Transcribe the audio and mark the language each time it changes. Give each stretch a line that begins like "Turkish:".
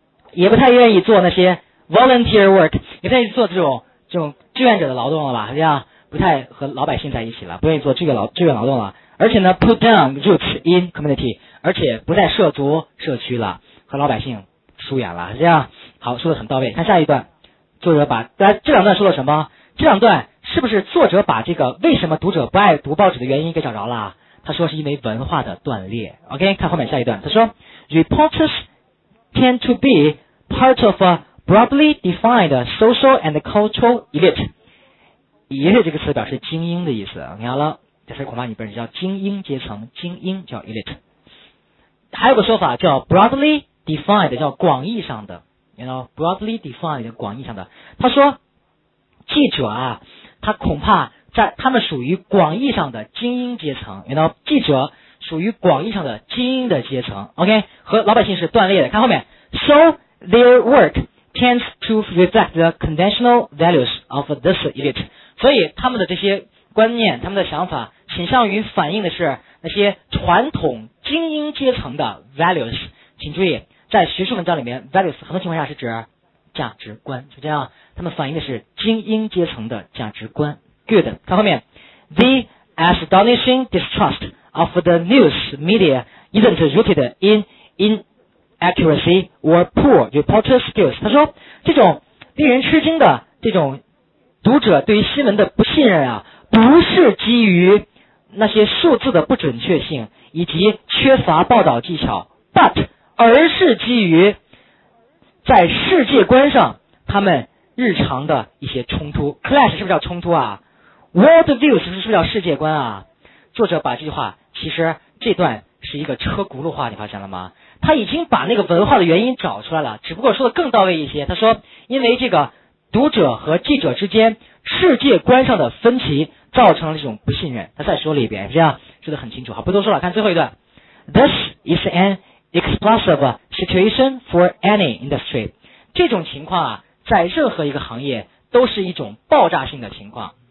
Chinese: 也不太愿意做那些
English: volunteer work，
Chinese: 也不太愿意做这种志愿者的劳动了吧，这样不太和老百姓在一起了，不愿意做志愿劳动了，而且呢
English: put down roots in community，
Chinese: 而且不再涉足社区了，和老百姓疏远了，这样。好，说得很到位，看下一段，作者把这两段说了什么，这两段是不是作者把这个为什么读者不爱读报纸的原因给找着了，他说是因为文化的断裂。
English: OK，
Chinese: 看后面下一段，他说
English: reportersTend to be part of a broadly defined social and cultural elite.
Chinese: Elite 这个词表示精英的意思，你好了，这词恐怕你本身叫精英阶层，精英叫 elite。还有个说法叫
English: broadly defined，
Chinese: 叫广义上的，
English: you know, broadly defined
Chinese: 广义上的。他说，记者啊，他恐怕在他们属于广义上的精英阶层，
English: you know,
Chinese: 记者。属于广义上的精英的阶层 ，
English: OK，
Chinese: 和老百姓是断裂的。看后面 ，
English: So their work tends to reflect the conventional values of this elite。
Chinese: 所以他们的这些观念、他们的想法，倾向于反映的是那些传统精英阶层的 values。请注意，在学术文章里面 ，values 很多情况下是指价值观，就这样，他们反映的是精英阶层的价值观。
English: Good，
Chinese: 看后面
English: ，The astonishing distrust。 Of the news media isn't rooted in inaccuracy or poor reporter skills.
Chinese: 他说，这种令人吃惊的这种读者对于新闻的不信任啊，不是基于那些数字的不准确性以及缺乏报道技巧 ，
English: but
Chinese: 而是基于在世界观上他们日常的一些冲突。 Clash 是不是叫冲突啊 ？World view 是不是叫世界观啊？作者把这句话。其实这段是一个车轱辘话，你发现了吗？他已经把那个文化的原因找出来了，只不过说的更到位一些。他说，因为这个读者和记者之间世界观上的分歧造成了这种不信任。他再说了一遍，这样说得很清楚。好，不多说了，看最后一段。
English: This is an explosive situation for any industry.
Chinese: 这种情况啊，在任何一个行业都是一种爆炸性的情况。